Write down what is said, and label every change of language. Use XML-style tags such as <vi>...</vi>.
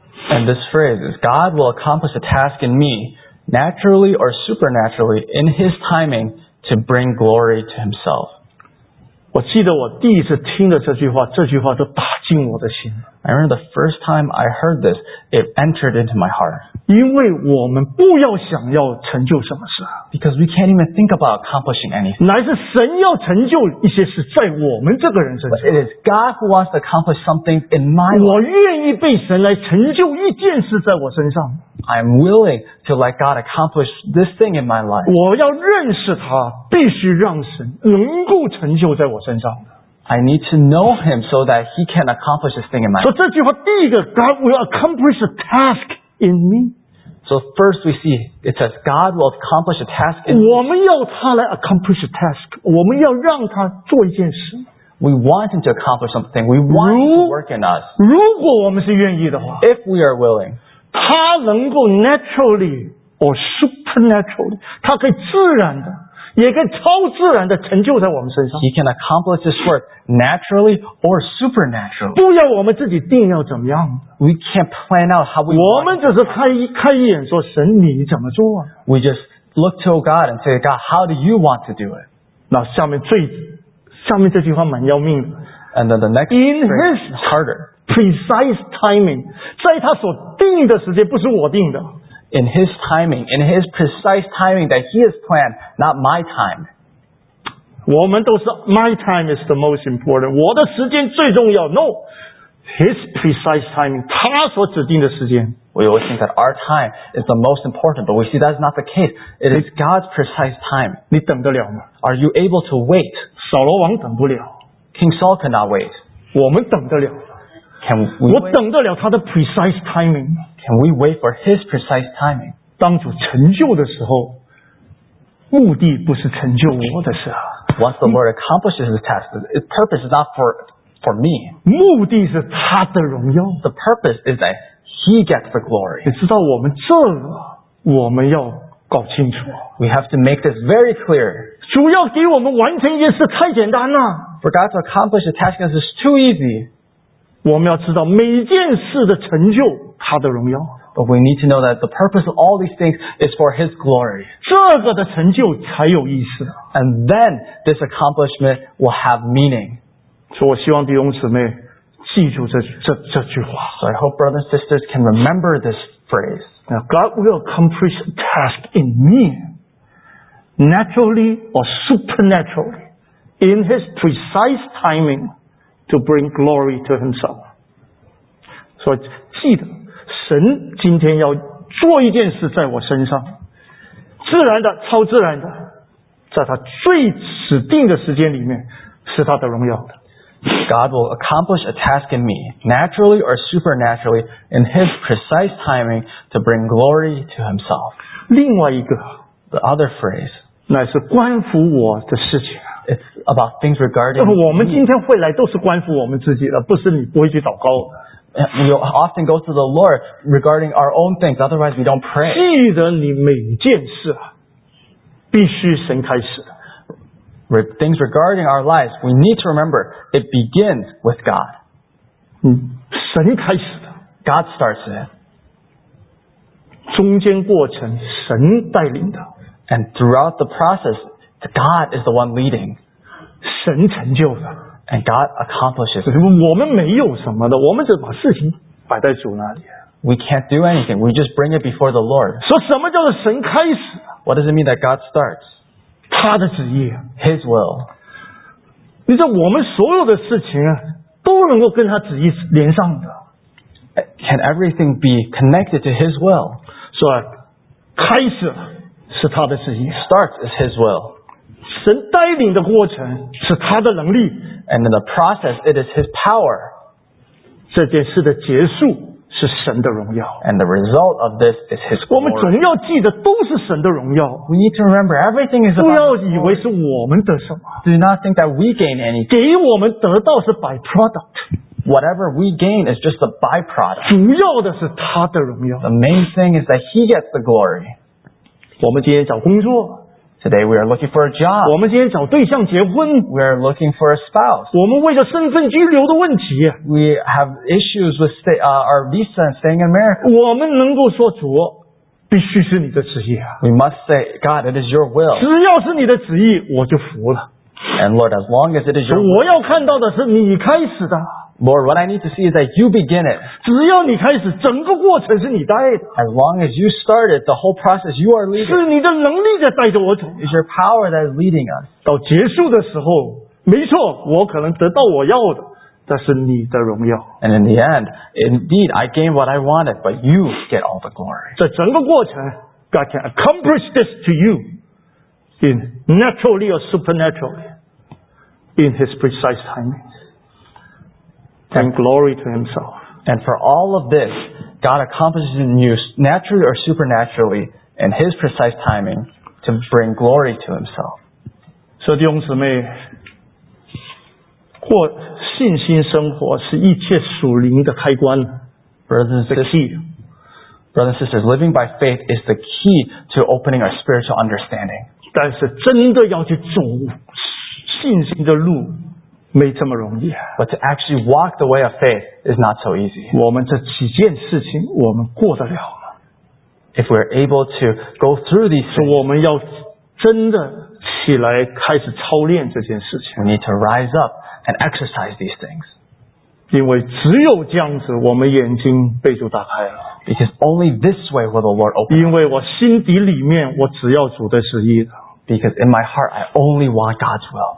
<en>And this phrase is God will accomplish a task in meNaturally or supernaturally, in his timing, to bring glory to himself.</en> <zh>我记得我第一次听了这句话，这句话就打进我的心。</zh> <en>I remember the first time I heard this, it entered into my heart.</en> <zh>因为我们不要想要成就什么事。</zh> <en>Because we can't even think about accomplishing anything.</en> <zh>乃是神要成就一些事在我们这个人身上。</zh> <en>But it is God who wants to accomplish something in my life.</en> <zh>我愿意被神来成就一件事在我身上。</zh> <en>I'm willing to let God accomplish this thing in my life.</en> <zh>我要认识他，必须让神能够成就在我身上。</zh> <en>I need to know him so that he can accomplish this thing in my life.</en> <zh>所以这句话第一个</zh> <en>God will accomplish a task in me. So first we see, it says God will accomplish a task in me.</en> <zh>我们要他来</zh> <en>accomplish a task.</en> <zh>我们要让他做一件事。</zh> <en>We want him to accomplish something. We want him to work in us.</en> <zh>如果我们是愿意的话。</zh> <en>If we are willing.</en> <zh>他能够</zh> <en>naturally or supernaturally</en> <zh>他可以自然的也可以超自然的成就在我们身上</zh> <en>He can accomplish this work naturally or supernaturally</en> <zh>不要我们自己定要怎么样</zh> <en>We can't plan out how we</en> <zh>我们只是看一眼说神你怎么做</zh> <en>We just look to God and say God how do you want to do it</en> <zh>那下面最下面这句话蛮要命的。</zh> <en>And then the next in his harder precise timing，</en> <zh>在他所定的时间，不是我定的。</zh> <en>In his timing, in his precise timing that he has planned, not my time.</en> <zh>我们都是</zh> <en>my time is the most important，</en> <zh>我的时间最重要。</zh> <en>No, his precise timing，</en> <zh>他所指定的时间。</zh> <en>We always think that our time is the most important, but we see that's not the case. It is God's precise time.</en> <zh>你等得了吗？</zh> <en>Are you able to wait?</en> <zh>扫罗王等不了。</zh> <en>King Saul cannot wait.</en> <zh>我们等得了。</zh> <en>Can we wait?</en> <zh>我等得了他的</zh> <en>precise timing. Can we wait for his precise timing?</en> <zh>当主成就的时候，目的不是成就我的事啊。</zh> <en>Once the Lord accomplishes his task, its purpose is not for me.</en> <zh>目的是他的荣耀。</zh> <en>The purpose is that He gets the glory.</en> <zh>你知道我们这个我们要搞清楚。</zh> <en>We have to make this very clear.</en> <zh>主要给我们完成一件事太简单了。</zh> <en>For God to accomplish a task is too easy.</en> <zh>我们要知道每件事的成就他的荣耀。</zh> <en>But we need to know that the purpose of all these things is for His glory.</en> <zh>这个的成就才有意思。</zh> <en>And then this accomplishment will have meaning.</en> <zh>所以我希望弟兄姊妹记住 这句话。</zh> <en>So I hope brothers and sisters can remember this phrase. Now, God will accomplish a task in me, naturally or supernaturally, in His precise timing to bring glory to Himself.</en> <zh>So, 记得神今天要做一件事在我身上，自然的、超自然的，在他最指定的时间里面，是他的荣耀的。</zh> <en>God will accomplish a task in me, naturally or supernaturally, in His precise timing to bring glory to Himself.</en> <zh>另外一个</zh> <en>the other phrase,</en> <zh>乃是关乎我的事情。</zh> <en>It's about things regarding me.</en> <zh>我们今天会来都是关乎我们自己的，不是你不会去祷告。</zh> <en>We often go to the Lord regarding our own things, otherwise we don't pray.</en> <zh>记得你每件事必须神开始的。</zh> <en>Things regarding our lives, we need to remember it begins with God.</en> <zh>神开始的。</zh> <en>God starts it.</en> <zh>中间过程神带领的。</zh> <en>And throughout the process, God is the one leading.</en> <zh>神成就的。</zh> <en>And God accomplishes it.</en> <zh>我们没有什么的，我们只把事情摆在主那里。</zh> <en>We can't do anything. We just bring it before the Lord.</en> <zh>说什么叫做神开始？</zh> <en>What does it mean that God starts?</en> <zh>他的旨意</zh> <en>His will</en> <zh>你知道我们所有的事情都能够跟他旨意连上的</zh> <en>Can everything be connected to His will</en> <zh>说、so, 开始是他的旨意</zh> <en>Starts is His will</en> <zh>神带领的过程是他的能力</zh> <en>And in the process it is His power</en> <zh>这件事的结束是神的荣耀</zh> <en>And the result of this is His glory</en> <zh>我们总要记得都是神的荣耀</zh> <en>We need to remember everything is about</en> <zh>不要以为是我们得什么</zh> <en>Do not think that we gain anything</en> <zh>给我们得到是 byproduct</zh> <en>Whatever we gain is just a byproduct</en> <zh>主要的是他的荣耀</zh> <en>The main thing is that He gets the glory</en> <zh>我们今天找工作</zh> <en>Today we are looking for a job</en> <zh>我们今天找对象结婚</zh> <en>We are looking for a spouse</en> <zh>我们为了身份居留的问题</zh> <en>We have issues with our visa and staying in America</en> <zh>我们能够说主必须是你的旨意</zh> <en>We must say God it is your will</en> <zh>只要是你的旨意我就服了</zh> <en>And Lord as long as it is your will</en> <zh>我要看到的是你开始的</zh> <en>Lord what I need to see is that you begin it</en> <zh>只要你开始整个过程是你带的</zh> <en>As long as you started the whole process you are leading</en> <zh>是你的能力在带着我走</zh> <en>It's your power that is leading us</en> <zh>到结束的时候没错我可能得到我要的但是你的荣耀</zh> <en>And in the end Indeed I gained what I wanted But you get all the glory</en> <zh>这整个过程</zh> <en>God can accomplish this to you In naturally or supernaturally In His precise timing And glory to Himself And for all of this God accomplishes in you Naturally or supernaturally In His precise timing To bring glory to Himself</en> <zh>所以弟兄姊妹过信心生活是一切属灵的开关</zh> <en>Brothers and sisters living by faith is the key to opening our spiritual understanding</en> <zh>但是真的要去走信心的路没这么容易</zh> <en>But to actually walk the way of faith is not so easy</en> <zh>我们这几件事情我们过得了吗</zh> <en>If we're able to go through these things</en> <zh>我们要真的起来开始操练这件事情。</zh> <en>We need to rise up and exercise these things.</en> <zh>因为只有这样子，我们眼睛被主打开了。</zh> <en>Because only this way will the Lord open.</en> <zh>因为我心底里面，我只要主的旨意。 Because in my heart, I only want God's will.</zh>